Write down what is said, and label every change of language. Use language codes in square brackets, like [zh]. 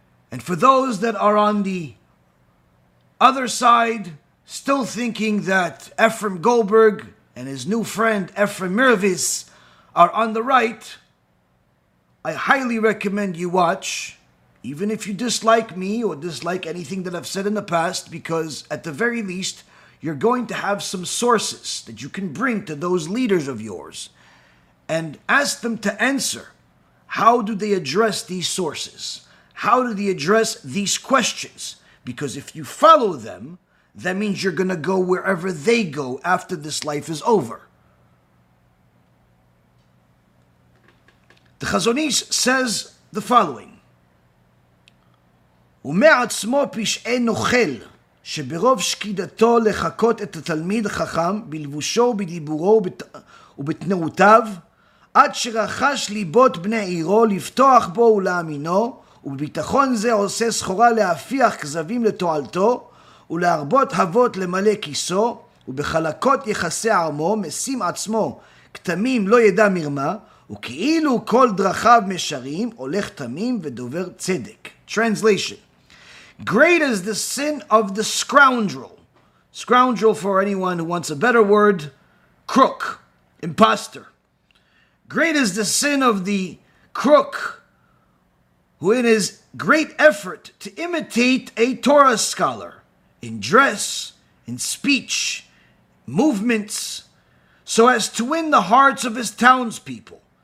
[en] And for those that are on the other side, still thinking that Ephraim Goldberg and his new friend Ephraim Mirvis are on the right, I highly recommend you watch, even if you dislike me or dislike anything that I've said in the past, because at the very least, you're going to have some sources that you can bring to those leaders of yours and ask them to answer. How do they address these sources? How do they address these questions? Because if you follow them, that means you're going to go wherever they go after this life is over. The Chazon Ish says the following: [he] ומעצמו פשעי נוכל שברוב שקידתו לחכות את התלמיד החכם בלבושו, בדיבורו ובתנאותיו עד שרחש ליבות בני עירו לפתוח בו ולאמינו, וביטחון זה עושה סחורה להפיח כזבים לתועלתו ולהרבות הוות למלא כיסו, ובחלקות יחסי עמו משים עצמו כתמים לא ידע מרמה, וכאילו כל דרכיו משרים הולך תמים ודובר צדק. [en] Translation: great is the sin of the scoundrel. Scoundrel, for anyone who wants a better word, crook, imposter. Great is the sin of the crook who, in his great effort to imitate a Torah scholar in dress, in speech, movements, so as to win the hearts of his townspeople,